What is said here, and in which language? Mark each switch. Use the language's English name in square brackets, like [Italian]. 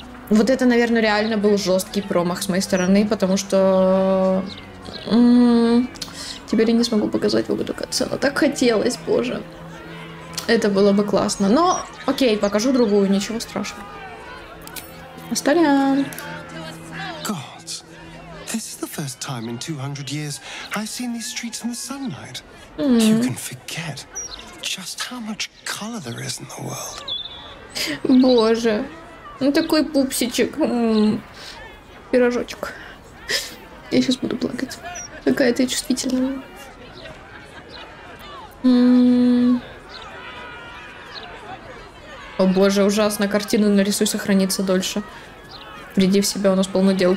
[Russian] Вот это, наверное, реально был жесткий промах с моей стороны, потому что... теперь я не смогу показать выводок отца, но так хотелось, боже. Это было бы классно. Но, окей, покажу другую, ничего страшного. Остальное. [English] Gods, this is the first time in 200 years I've seen these streets in the sunlight. You can forget just how much color there is in the world. [Russian] Боже, ну такой пупсичек, пирожочек. Я сейчас буду плакать. Какая ты чувствительная. О боже, ужасно, картину нарисуй, сохранится дольше. Приди в себя, у нас полно дел.